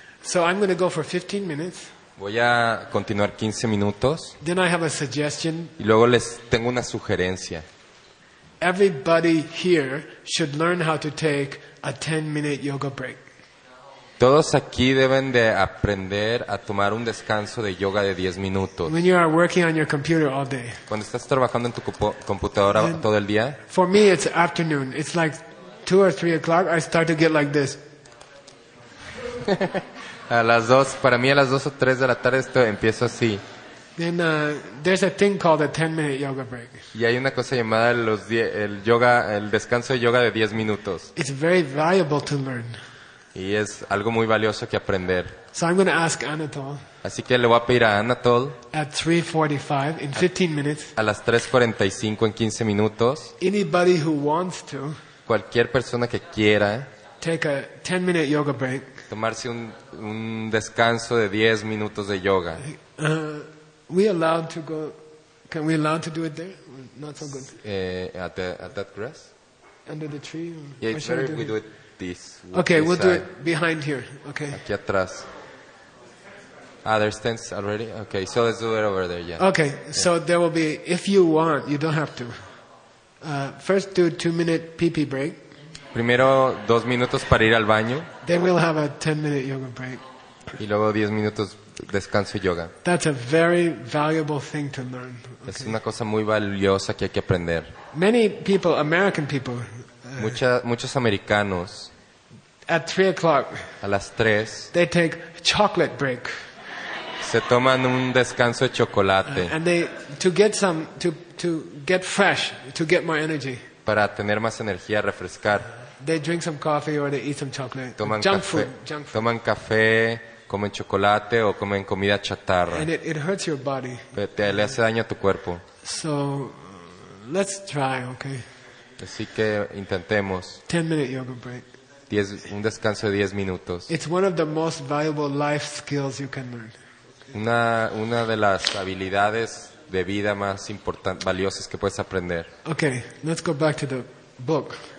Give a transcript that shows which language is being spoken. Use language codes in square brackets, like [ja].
[en] So I'm going to go for 15 minutes. [es] Voy a continuar 15 minutos. [en] Then I have a suggestion. [es] Y luego les tengo una sugerencia. [en] Everybody here should learn how to take a 10-minute yoga break. [es] Todos aquí deben de aprender a tomar un descanso de yoga de 10 minutos. [en] When you are working on your computer all day. [es] Cuando estás trabajando en tu computadora todo el día. [en] For me it's afternoon. It's like 2 or 3 o'clock I start to get like this. [es] A las 2, para mí a las 2 o 3 de la tarde esto empiezo así. [en] Then there's a thing called a 10-minute yoga break. [es] Y hay una cosa llamada el descanso de yoga de 10 minutos. [en] It's very valuable to learn. [es] Y es algo muy valioso que aprender. [en] So I'm going to ask Anatole. [es] Así que le voy a pedir a Anatole. [en] At 3:45 in 15 minutes. [es] A las 3:45 en 15 minutos. [en] Anybody who wants to. [es] Cualquier persona que quiera. [en] Take a 10-minute yoga break. [es] Tomarse un descanso de 10 minutos de yoga. [en] We allowed to go. Can we allow to do it there? Not so good. At that grass. Under the tree. Yeah, it's better if we do it this. Okay, we'll do it behind here. Okay. [es] Aquí atrás. [en] Ah, there's tents already. Okay, so let's do it over there. Yeah. Okay, yeah. So there will be. If you want, you don't have to. First, do a 2-minute pee-pee break. [es] Primero 2 minutos para ir al baño. [en] Then we'll have a 10-minute yoga break. [es] Y luego 10 minutos descanso y yoga. [en] That's a very valuable thing to learn. Okay. [es] Es una cosa muy valiosa que hay que aprender. [en] Many people, American people. [es] Muchos americanos. [en] At 3 o'clock. [es] A las 3. [en] They take a chocolate break. [es] Se toman un descanso de chocolate. [en] And they to get fresh, to get more energy. [es] Para tener más energía, refrescar. [en] They drink some coffee or they eat some chocolate. [es] Toman [en] junk [es] café, [en] food. Junk food. [es] Toman café, comen chocolate o comen comida chatarra. [en] And it hurts your body. [es] Le hace daño a tu cuerpo. [en] So, let's try, okay? [es] Así que intentemos. [en] 10-minute yoga break. [es] Un descanso de 10 minutos. [en] It's one of the most valuable life skills you can learn. [es] Una de las habilidades de vida más importantes, valiosas que puedes aprender. [en] Okay, let's go back to the book.